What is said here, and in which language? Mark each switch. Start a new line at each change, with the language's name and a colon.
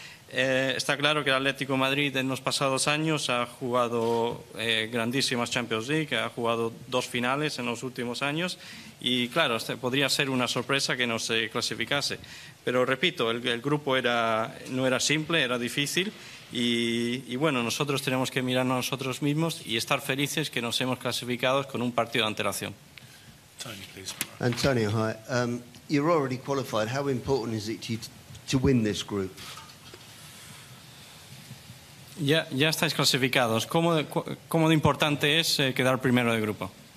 Spanish: Está claro que el Atlético Madrid en los pasados años ha jugado grandísimas Champions League, ha jugado dos finales en los últimos años y claro, podría ser una sorpresa que no se clasificase. Pero repito, el grupo no era simple, era difícil y bueno, nosotros tenemos que mirar a nosotros mismos y estar felices que nos hemos clasificado con un partido de antelación.
English: Antonio, hi. You're already qualified. How important is it to win this group?
Spanish: Ya estáis clasificados. ¿Cómo de importante es quedar primero de grupo?